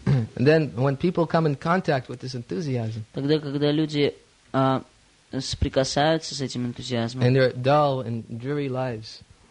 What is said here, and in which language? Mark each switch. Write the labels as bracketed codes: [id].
[en] And then when people come in contact with this enthusiasm. [ru] Тогда, когда люди соприкасаются с этим энтузиазмом. [en] And their dull and dreary lives.